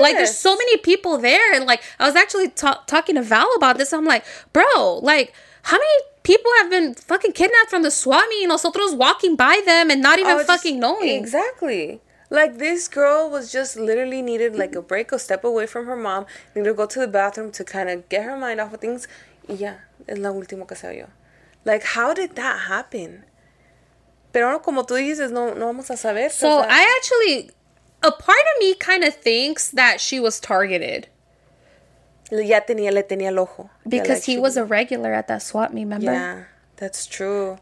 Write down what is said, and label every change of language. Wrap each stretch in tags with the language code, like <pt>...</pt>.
<en>Like, there's so many people there. And, like, I was actually talking to Val about this. And I'm like, bro, like, how many people have been fucking kidnapped from the swap meet? And nosotros walking by them and not even fucking knowing. Exactly. Like, this girl was just literally needed, like, a break, a step away from her mom, needed to go to the bathroom to kind of get her mind off of things.</en> <es>Yeah, es la última que se oyó.</es> <en>Like, how did that happen?</en> <es>Pero como tú dices, no vamos a saber.</es> <en>So, I actually, a part of me kind of thinks that she was targeted.</en> <es>Ya tenía, le tenía el ojo.</es> <en>Because he was a regular at that swap meet, remember? Yeah, that's true.</en>